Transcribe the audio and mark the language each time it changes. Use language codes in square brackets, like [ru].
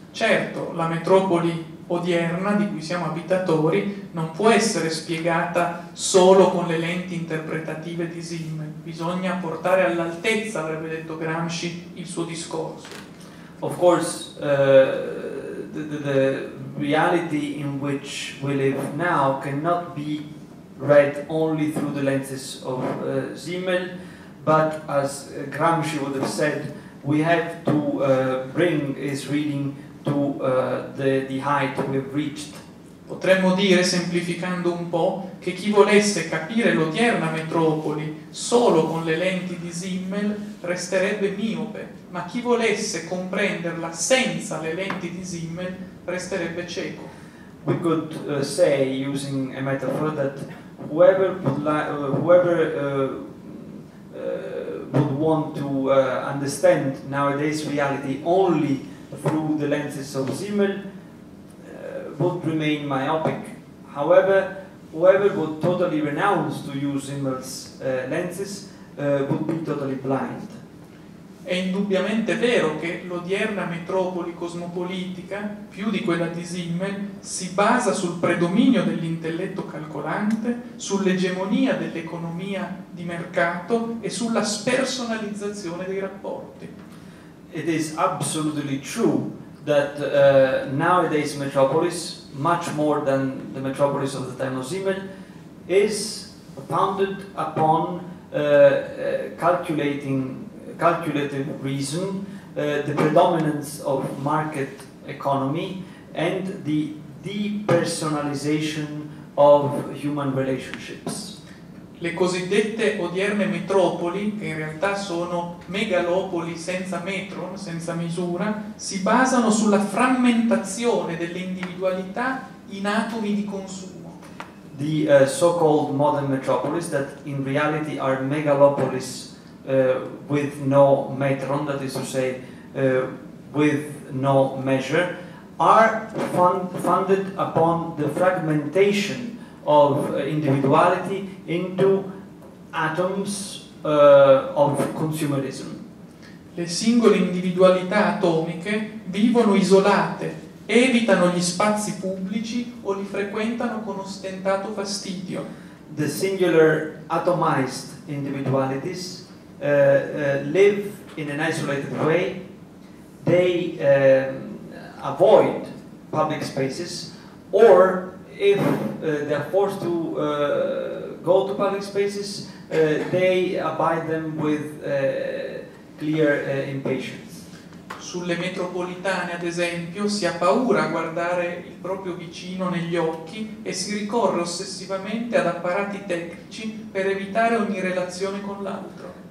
[it] Certo, la metropoli odierna di cui siamo abitatori non può essere spiegata solo con le lenti interpretative di Simmel. Bisogna portare all'altezza, avrebbe detto Gramsci, il suo discorso. [en] Of course, the reality in which we live now cannot be read only through the lenses of Simmel, but as Gramsci would have said, we have to bring his reading to the height we've reached. [it] Potremmo dire, semplificando un po', che chi volesse capire l'odierna metropoli solo con le lenti di Simmel resterebbe miope, ma chi volesse comprenderla senza le lenti di Simmel resterebbe cieco. [en] We could say, using a metaphor, that whoever would want to understand nowadays reality only through the lenses of Simmel would remain myopic. However, whoever would totally renounce to use Simmel's lenses would be totally blind. [it] È indubbiamente vero che l'odierna metropoli cosmopolitica, più di quella di Simmel, si basa sul predominio dell'intelletto calcolante, sull'egemonia dell'economia di mercato e sulla spersonalizzazione dei rapporti. [en] It is absolutely true that nowadays metropolis, much more than the metropolis of the time of Simmel, is founded upon calculative reason, the predominance of market economy and the depersonalization of human relationships. [it] Le cosiddette odierne metropoli, che in realtà sono megalopoli senza metron, senza misura, si basano sulla frammentazione dell'individualità in atomi di consumo. [en] The so-called modern metropolis that in reality are megalopolis with no metron, that is to say, with no measure, are funded upon the fragmentation of individuality into atoms of consumerism. [it] Le singole individualità atomiche vivono isolate, evitano gli spazi pubblici o li frequentano con ostentato fastidio. [en] The singular atomized individualities live in an isolated way. They avoid public spaces, or if they are forced to go to public spaces, they abide them with clear impatience. [it] Sulle metropolitane, ad esempio, si ha paura a guardare il proprio vicino negli occhi e si ricorre ossessivamente ad apparati tecnici per evitare ogni relazione con l'altro.